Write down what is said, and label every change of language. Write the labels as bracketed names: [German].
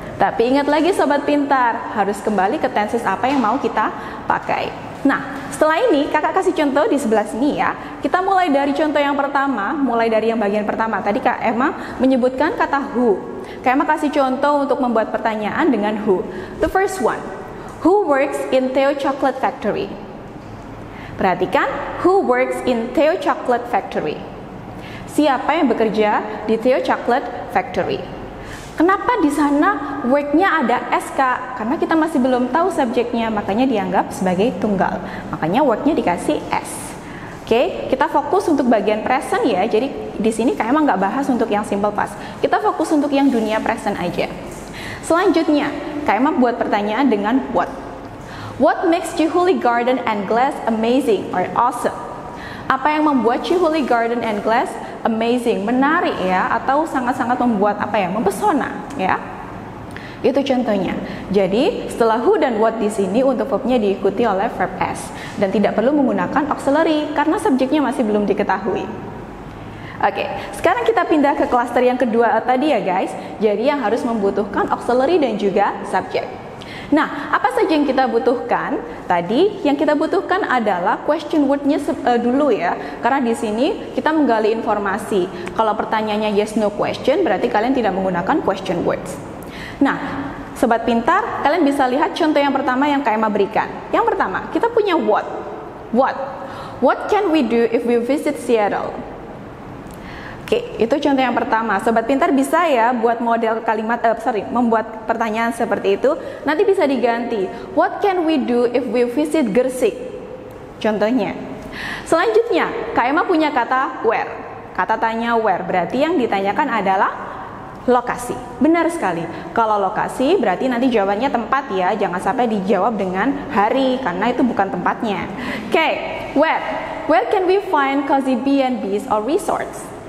[Indonesian] Tapi ingat lagi sobat pintar, harus kembali ke tenses apa yang mau kita pakai. Nah, setelah ini kakak kasih contoh di sebelah sini ya. Kita mulai dari contoh yang pertama, mulai dari yang bagian pertama. Tadi Kak Emma menyebutkan kata who. Kak Emma kasih contoh untuk membuat pertanyaan dengan who. [English] The first one, who works in Theo Chocolate Factory? [Indonesian] Perhatikan, [English] who works in Theo Chocolate Factory? [Indonesian] Siapa yang bekerja di Theo Chocolate Factory? Kenapa di sana work-nya ada SK? Karena kita masih belum tahu subjeknya, makanya dianggap sebagai tunggal. Makanya work-nya dikasih S. Oke, kita fokus untuk bagian present ya. Jadi di sini kayak emang nggak bahas untuk yang simple past. Kita fokus untuk yang dunia present aja. Selanjutnya, kayak emang buat pertanyaan dengan what. [English] What makes Chihuly Garden and Glass amazing or awesome? [Indonesian] Apa yang membuat Chihuly Garden and Glass amazing, menarik ya, atau sangat-sangat membuat apa ya, mempesona ya. Itu contohnya. Jadi, setelah who dan what di sini untuk verb-nya diikuti oleh verb S dan tidak perlu menggunakan auxiliary karena subjeknya masih belum diketahui. Oke, sekarang kita pindah ke cluster yang kedua tadi ya, guys. Jadi, yang harus membutuhkan auxiliary dan juga subjek. Nah, apa saja yang kita butuhkan? Tadi yang kita butuhkan adalah question word-nya dulu ya. Karena di sini kita menggali informasi. Kalau pertanyaannya yes no question, berarti kalian tidak menggunakan question words. Nah, sobat pintar, kalian bisa lihat contoh yang pertama yang Kak Emma berikan. Yang pertama, kita punya what. What? [English] What can we do if we visit Seattle? [Indonesian] Oke, itu contoh yang pertama. Sobat pintar bisa ya buat model kalimat, membuat pertanyaan seperti itu. Nanti bisa diganti. [English] What can we do if we visit Gresik? [Indonesian] Contohnya. Selanjutnya, Kak Emma punya kata where. Kata tanya where, berarti yang ditanyakan adalah lokasi. Benar sekali. Kalau lokasi, berarti nanti jawabannya tempat ya. Jangan sampai dijawab dengan hari, karena itu bukan tempatnya. [English] Oke, where? Where can we find cozy B&Bs or resorts?